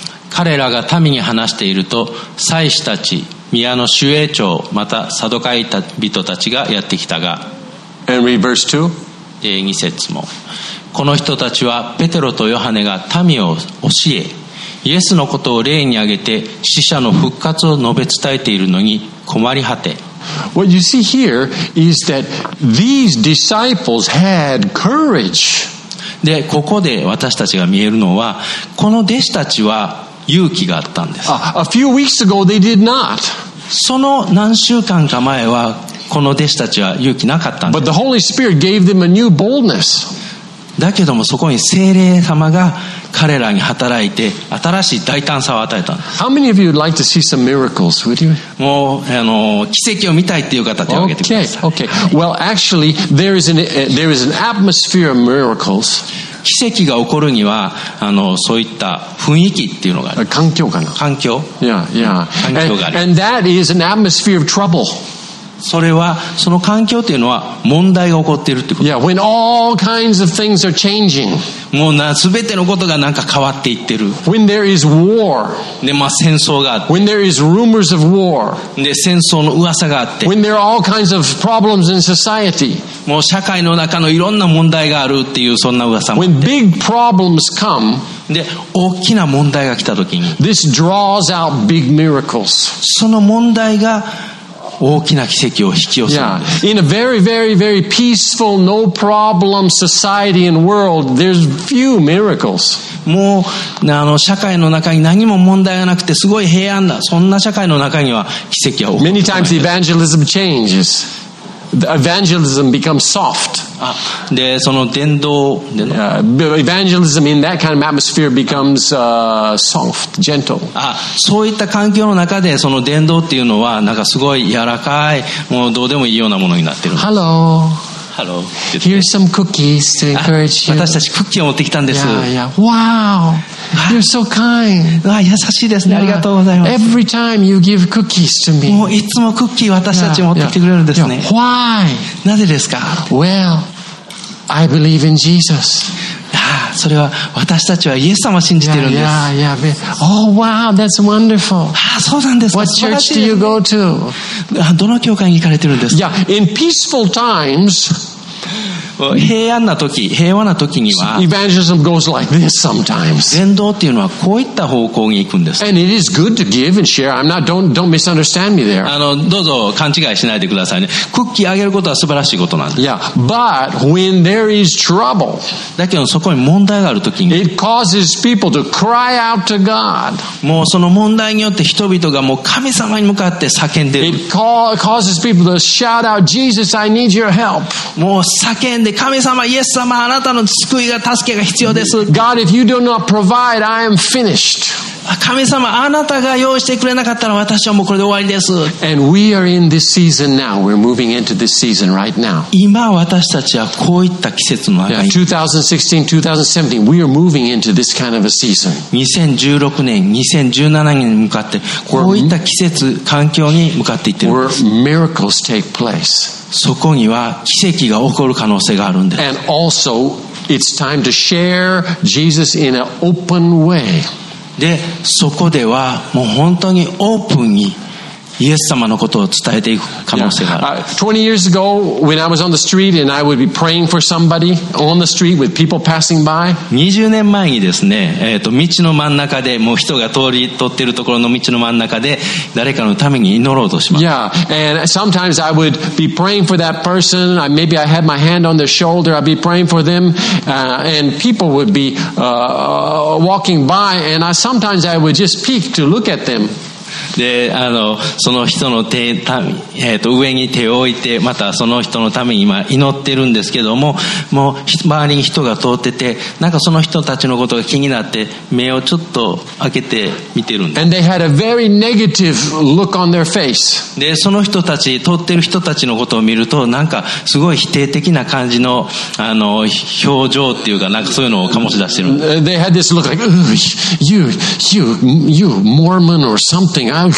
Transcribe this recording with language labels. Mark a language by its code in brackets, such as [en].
[ja] 彼らが民に話していると、祭司たち、宮の守衛長、またサドカイ人たちがやってきたが、 [en] And read verse 2 [ja] 2節も、この人たちはペテロとヨハネが民を教え、イエスのことを霊に挙げて死者の復活を述べ伝えているのに困り果て。 [en] What you see here is that these disciples had courage. [ja] で、ここで私たちが見えるのは、この弟子たちは勇気があったんです。 [en] A few weeks ago they did not. [ja] その何週間か前はこの弟子たちは勇気なかったんです。 [en] But the Holy Spirit gave them a new boldness. [ja] だけどもそこに聖霊様が彼らに働いて新しい大胆さを与えたんです。 [en] How many of you would like to see some miracles? Would you? [ja] もう奇跡を見たいっていう方手を挙げてください。 [en] Okay. Well, actually, there is an atmosphere of miracles. [ja] 奇跡が起こるにはそういった雰囲気っていうのがある。環境かな。環境。 [en] Yeah, yeah. [ja] 環境がある。 [en] And that is an atmosphere of trouble. [ja] それはその環境というのは問題が起こっているということ。 [en] Yeah, when all kinds of things are changing. [ja] もう全てのことがなんか変わっていってる。 [en] When there is war. [ja] で、まあ戦争があって。 [en] When there is rumors of war. [ja] で、戦争の噂があって。 [en] When there are all kinds of problems in society. [ja] もう社会の中のいろんな問題があるっていうそんな噂もあって。 [en] When big problems come. [ja] で、大きな問題が来た時に。 [en] This draws out big miracles. [ja] その問題が大きな奇跡を引き寄せる。 [en] Yeah. In a very, very, very peaceful, no problem society and world, there's few miracles. [ja] もう社会の中に何も問題がなくてすごい平安だ。そんな社会の中には奇跡は起こらない。 [en] Many times evangelism changes. The evangelism becomes soft. [ja] で、その伝道。 [en] Evangelism in that kind of atmosphere becomes soft, gentle. [ja] そういった環境の中でその伝道っていうのはなんかすごい柔らかい、もうどうでもいいようなものになってる。 [en] Hello. Hello. Here's some cookies to encourage you. [ja] 私たちクッキーを持ってきたんです。 [en] Yeah, yeah. Wow. You're so kind. [ja] 優しいですね。ありがとうございます。 [en] Every time you give cookies to me. [ja] もういつもクッキー私たち持ってきてくれるんですね。 [en] Yeah, yeah. Why? [ja] なぜですか? [en] Well. I believe in Jesus. [ja] それは私たちはイエス様を信じているんです。 [en] yeah, yeah, yeah. Oh wow, that's wonderful. [ja] そうなんですか。 [en] What church do you go to? [ja] どの教会に行かれてるんですか? [en] Yeah, in peaceful times, [ja] 平安な時、平和な時には、 [en] evangelism goes like this sometimes. [ja] 伝道っていうのはこういった方向に行くんです。 [en] And it is good to give and share. I'm not, don't misunderstand me there. [ja] どうぞ勘違いしないでくださいね。クッキーあげることは素晴らしいことなんです。 [en] Yeah, but when there is trouble, [ja] だけどそこに問題がある時に、 [en] it causes people to cry out to God. [ja] もうその問題によって人々がもう神様に向かって叫んでる。 [en] It causes people to shout out, Jesus, I need your help. [ja] もう叫んで、神様、イエス様、あなたの救いが、助けが必要です。 [en] God, if you do not provide, I am finished. [ja] 神様、あなたが用意してくれなかったら私はもうこれで終わりです。 [en] And we are in this season now. We're moving into this season right now. [ja] 今私たちはこういった季節の中に。 [en] Yeah, 2016-2017, we are moving into this kind of a season. [ja] 2016年、2017年に向かって、こういった季節、環境に向かっていってるんです。 [en] Where miracles take place. [ja] そこには奇跡が起こる可能性があるんです。 [en] And also, it's time to share Jesus in an open way. [ja] でそこではもう本当にオープンにイエス様のことを伝えていく可能性がある。 [en] 20 years ago, when I was on the street and I would be praying for somebody on the street with people passing by. [ja] 20年前にですね、道の真ん中でもう人が通り通っているところの道の真ん中で誰かのために祈ろうとします。 [en] Yeah, and sometimes I would be praying for that person. Maybe I had my hand on their shoulder. I'd be praying for them, and people would be walking by, and sometimes I would just peek to look at them. [ja] でその人の手、上に手を置いてまたその人のために今祈ってるんですけどももう周りに人が通っててなんかその人たちのことが気になって目をちょっと開けて見てるんです。 [en] And they had a very negative look on their face. [ja] でその人たち通ってる人たちのことを見るとなんかすごい否定的な感じの表情っていうかなんかそういうのを醸し出してるんです。 [en] They had this look like, ugh, you Mormon or something.